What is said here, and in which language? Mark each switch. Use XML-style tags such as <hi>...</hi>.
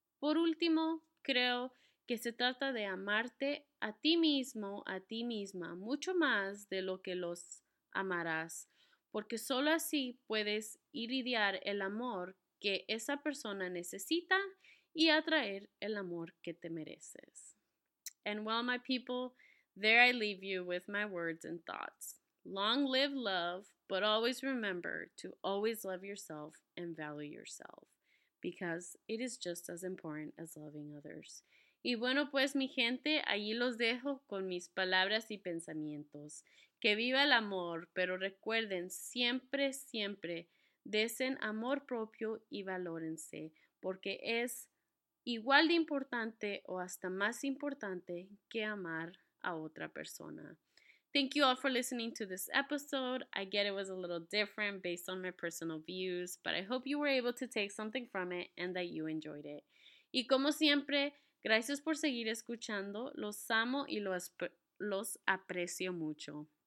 <es>Por último, creo que se trata de amarte a ti mismo, a ti misma, mucho más de lo que los amarás, porque solo así puedes irradiar el amor que esa persona necesita y atraer el amor que te mereces.</es> <en>And well, my people, there I leave you with my words and thoughts. Long live love, but always remember to always love yourself and value yourself, because it is just as important as loving others.</en> <es>Y bueno, pues, mi gente, allí los dejo con mis palabras y pensamientos. Que viva el amor, pero recuerden siempre, siempre, desen amor propio y valórense, porque es igual de importante o hasta más importante que amar a otra persona.</es> <en>Thank you all for listening to this episode. I get it was a little different based on my personal views, but I hope you were able to take something from it and that you enjoyed it.</en> <es>Y como siempre, gracias por seguir escuchando. Los amo y los aprecio mucho.</es>